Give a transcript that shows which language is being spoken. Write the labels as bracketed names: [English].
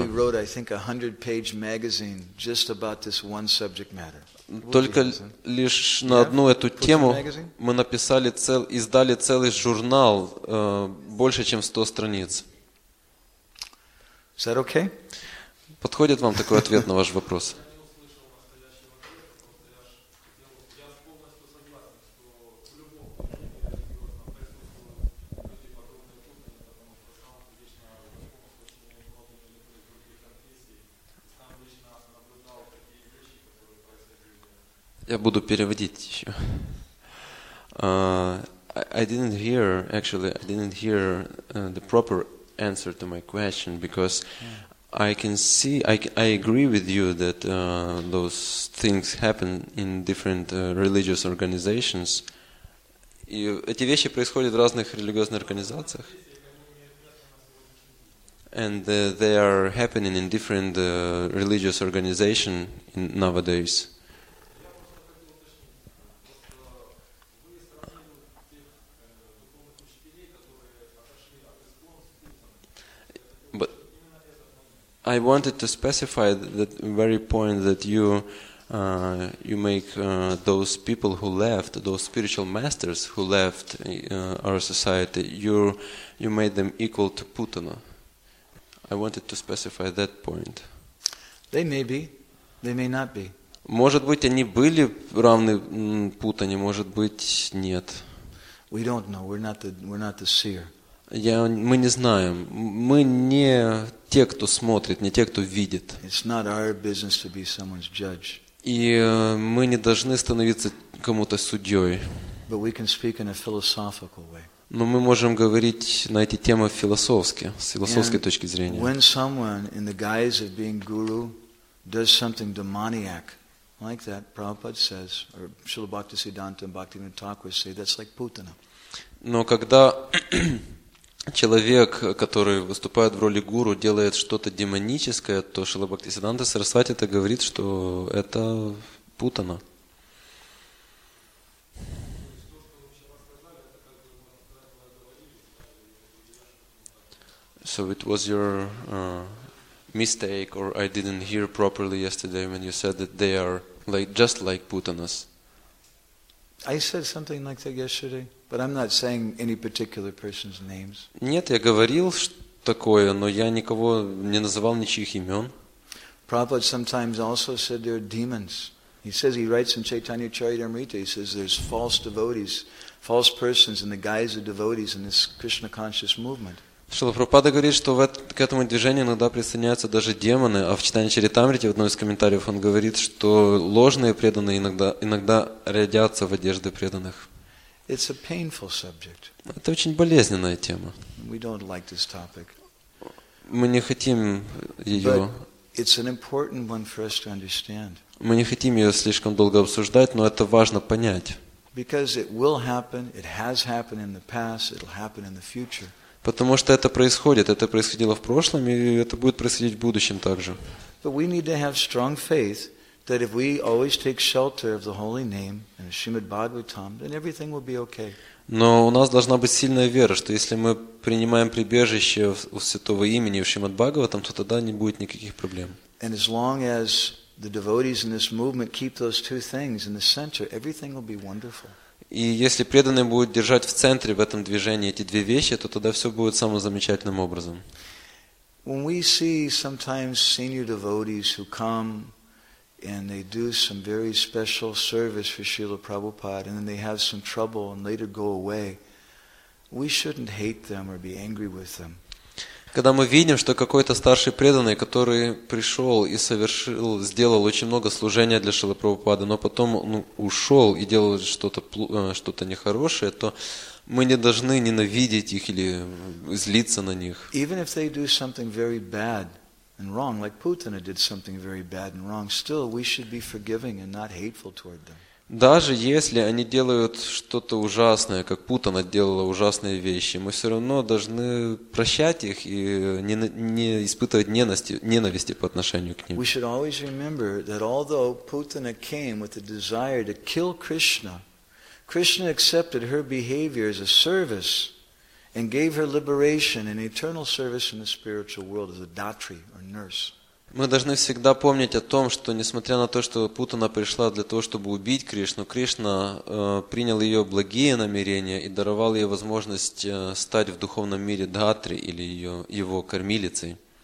[English] We wrote, I think, a 100-page magazine just about this one subject matter. [Russian] Только лишь на одну эту тему мы написали издали целый журнал, больше чем 100 страниц. [English] Is that okay? [Russian] Подходит вам такой ответ на ваш вопрос? Я буду переводить еще. [English] I didn't hear the proper answer to my question because I can see, I agree with you that those things happen in different religious organizations. [Russian] И эти вещи происходят в разных религиозных организациях. [English] And they are happening in different religious organizations nowadays. I wanted to specify that very point that you make those people who left, those spiritual masters who left our society, you made them equal to Putana. I wanted to specify that point. They may be, they may not be. [Russian] Может быть, они были равны Путане, может быть, нет. [English] We don't know. We're not the seer. [Russian] Мы не знаем. Мы не те, кто смотрит, не те, кто видит. [English] It's not our business to be someone's judge. [Russian] И мы не должны становиться кому-то судьей. [English] But we can speak in a philosophical way. [Russian] Но мы можем говорить на эти темы философски, с философской точки зрения. [English] When someone in the guise of being guru does something demoniac, like that, Prabhupada says, or Srila Bhaktisiddhanta and Bhaktivinoda Thakur say, that's like Putana. [Russian] Но когда человек, который выступает в роли гуру, делает что-то демоническое, то Шрила Бхактисиддханта Сарасвати это говорит, что это путано. [English] So it was your mistake, or I didn't hear properly yesterday when you said that they are like just like putanas. I said something like that yesterday. But I'm not saying any particular person's names. [Russian] Нет, я говорил такое, но я никого не называл ничьих имен. [English] Prabhupada sometimes also said there are demons. He says, he writes in Chaitanya Charitamrita, he says there's false devotees, false persons in the guise of devotees in this Krishna conscious movement. [Russian] Шрила Прабхупада говорит, что к этому движению иногда присоединяются даже демоны, а в Чайтанья Чаритамрите, в одном из комментариев, он говорит, что ложные преданные иногда рядятся в одежды преданных. [English] It's a painful subject. [Russian] Это очень болезненная тема. [English] We don't like this topic. [Russian] Мы не хотим ее. [English] But it's an important one for us to understand. [Russian] Мы не хотим ее слишком долго обсуждать, но это важно понять. [English] Because it will happen, it has happened in the past, it'll happen in the future. [Russian] Потому что это происходит, это происходило в прошлом, и это будет происходить в будущем также. [English] But we need to have strong faith. That if we always take shelter of the holy name and Srimad Bhagavatam, then everything will be okay. [Russian] Но у нас должна быть сильная вера, что если мы принимаем прибежище у святого имени в Шримад Бхагаватам, то тогда не будет никаких проблем. [English] And as long as the devotees in this movement keep those two things in the center, everything will be wonderful. [Russian] И если преданные будут держать в центре в этом движении эти две вещи, то тогда все будет самым замечательным образом. [English] When we see sometimes senior devotees who come and they do some very special service for Srila Prabhupada, and then they have some trouble and later go away, we shouldn't hate them or be angry with them. [Russian] Когда мы видим, что какой-то старший преданный, который пришел и совершил, сделал очень много служения для Шрилы Прабхупады, но потом он ушел и делал что-то нехорошее, то мы не должны ненавидеть их или злиться на них. [English] Even if they do something very bad, and wrong, like Putana did something very bad and wrong, still we should be forgiving and not hateful toward them. [Russian] Даже если они делают что-то ужасное, как Путана делала ужасные вещи, мы все равно должны прощать их и не испытывать ненависти по отношению к ним. [English] We should always remember that although Putana came with the desire to kill Krishna, Krishna accepted her behavior as a service and gave her liberation and eternal service in the spiritual world as a datri or nurse. [Russian] Мы должны всегда помнить о том, что несмотря на то, что Путана пришла для того, чтобы убить Кришну, Кришна принял ее благие намерения и даровал ей возможность стать в духовном мире датри или его кормилицей.